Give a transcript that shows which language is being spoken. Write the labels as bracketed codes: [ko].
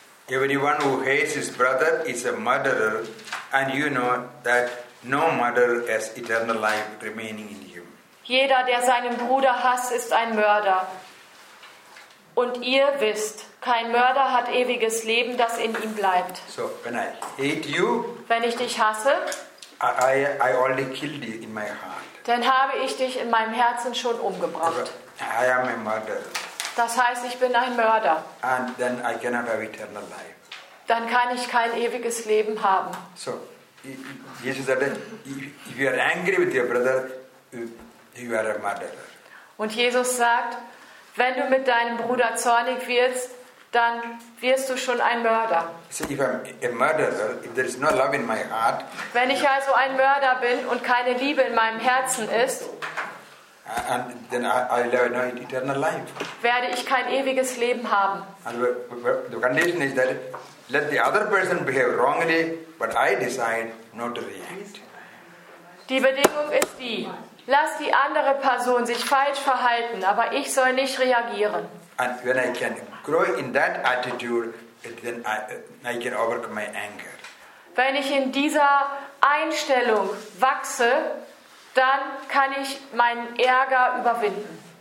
[en] Everyone who hates his brother is a murderer. And you know that no murderer has eternal life remaining in him. [de] Jeder, der seinen Bruder hasst, ist ein Mörder. Und ihr wisst, kein Mörder hat ewiges Leben, das in ihm bleibt. [en] So, when I hate you, [de] wenn ich dich hasse, [en] I already killed you in my heart. [de] Dann habe ich dich in meinem Herzen schon umgebracht. [en] I am a murderer. [de] Das heißt, ich bin ein Mörder. [en] And then I cannot have eternal life. [de] Dann kann ich kein ewiges Leben haben. [en] So, Jesus [de] sagte, [en] if you are angry with your brother, you are a murderer. [de] Und Jesus sagt, wenn du mit deinem Bruder zornig wirst, dann wirst du schon ein Mörder. [en] So, if I'm a murderer, if there is no love in my heart. [de] Wenn ich also ein Mörder bin und keine Liebe in meinem Herzen ist, [en] and then I have no eternal life. [de] Werde ich kein ewiges Leben haben. [en] And the condition is that let the other person behave wrongly, but I decide not to react. [de] Die Bedingung ist die: Lass die andere Person sich falsch verhalten, aber ich soll nicht reagieren. [en] And when I can grow in that attitude, then I can overcome my anger. [de] Wenn ich in dieser Einstellung wachse, dann kann ich meinen Ärger überwinden.